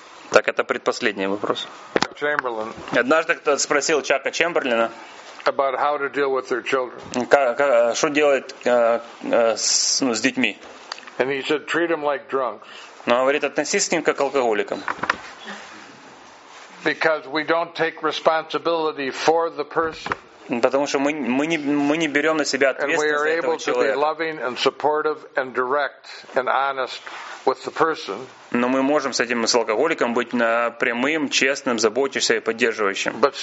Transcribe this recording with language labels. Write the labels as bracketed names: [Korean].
[Russian] Так, это предпоследний вопрос. Однажды кто-то спросил Чака Чемберлина, что делать с детьми. [English] And he said, treat them like drunks. [Russian] Но он говорит, относись к ним как к алкоголикам. [English] Because we don't take responsibility for the person. [Russian] Потому что мы не берем на себя ответственность за этого человека. Но мы можем с этим, с алкоголиком, быть прямым, честным, заботящимся и поддерживающим.